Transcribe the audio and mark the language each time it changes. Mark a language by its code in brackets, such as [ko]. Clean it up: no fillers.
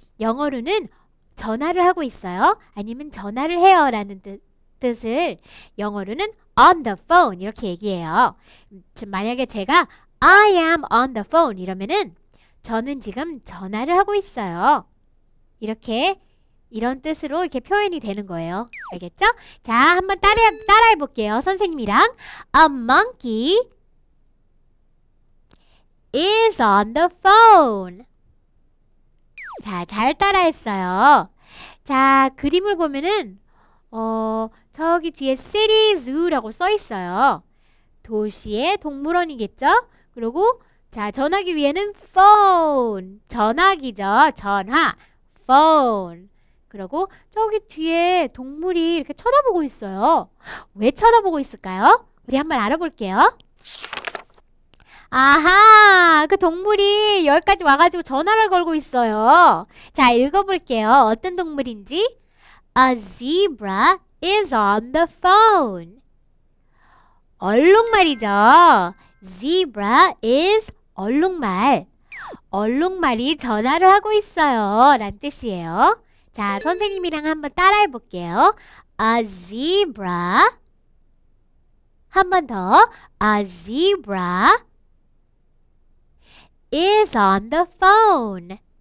[ko] 영어로는 전화를 하고 있어요. 아니면 전화를 해요 라는 뜻을 영어로는 on the phone 이렇게 얘기해요. 만약에 제가 [en] I am on the phone [ko] 이러면은 저는 지금 전화를 하고 있어요. 이렇게 이런 뜻으로 이렇게 표현이 되는 거예요. 알겠죠? 자, 한번 따라해 볼게요. 선생님이랑 [en] A monkey is on the phone. [ko] 자, 잘 따라했어요. 자, 그림을 보면은 저기 뒤에 City Zoo라고 써있어요. 도시의 동물원이겠죠? 그리고 자, 전화기 위에는 Phone, 전화기죠. 전화, Phone. 그리고 저기 뒤에 동물이 이렇게 쳐다보고 있어요. 왜 쳐다보고 있을까요? 우리 한번 알아볼게요. 아하! 그 동물이 여기까지 와가지고 전화를 걸고 있어요. 자, 읽어볼게요. 어떤 동물인지. [en] A zebra is on the phone. [ko] 얼룩말이죠. [en] Zebra is 얼룩말. [ko] 얼룩말이 전화를 하고 있어요. 란 뜻이에요. 자, 선생님이랑 한번 따라해볼게요. [en] A zebra. [ko] 한번 더. [en] A zebra. is on the phone.